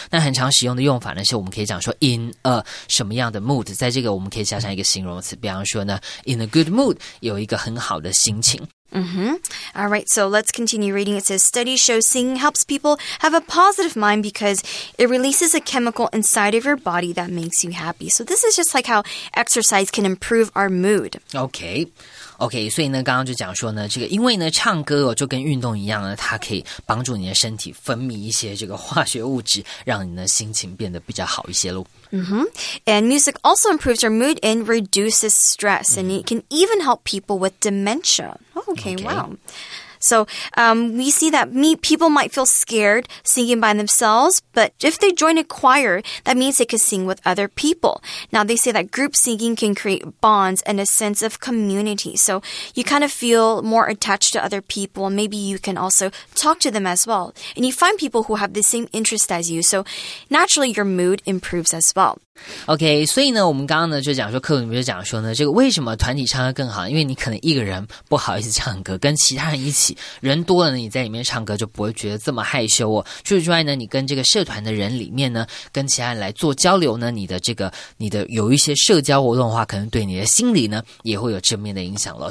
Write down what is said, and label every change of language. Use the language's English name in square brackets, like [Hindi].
[Chinese] 那很常使用的用法呢是我们可以讲说 in a 什么样的 mood， 在这个我们可以加上一个形容词，比方说呢 in a good mood， 有一个很好的心情。 Mm-hmm. [English] All right, so let's continue reading. It says, study shows singing helps people have a positive mind because it releases a chemical inside of your body that makes you happy. So this is just like how exercise can improve our mood. Okay. [Chinese] OK， 所以呢刚刚就讲说呢，这个因为呢唱歌哦就跟运动一样呢，它可以帮助你的身体分泌一些这个化学物质，让你的心情变得比较好一些咯。 Mm-hmm. [English] And music also improves your mood and reduces stress, and it can even help people with dementia. Okay, wow. So, we see that people might feel scared singing by themselves, but if they join a choir, that means they could sing with other people. Now, they say that group singing can create bonds and a sense of community. So, you kind of feel more attached to other people. Maybe you can also talk to them as well. And you find people who have the same interest as you. So, naturally, your mood improves as well. [Chinese] OK， 所以呢我们刚刚呢就讲说，课文里面就讲说呢，这个为什么团体唱歌更好，因为你可能一个人不好意思唱歌，跟其他人一起人多了呢，你在里面唱歌就不会觉得这么害羞哦。除此之外呢，你跟这个社团的人里面呢，跟其他人来做交流呢，你的有一些社交活动的话，可能对你的心理呢也会有正面的影响了。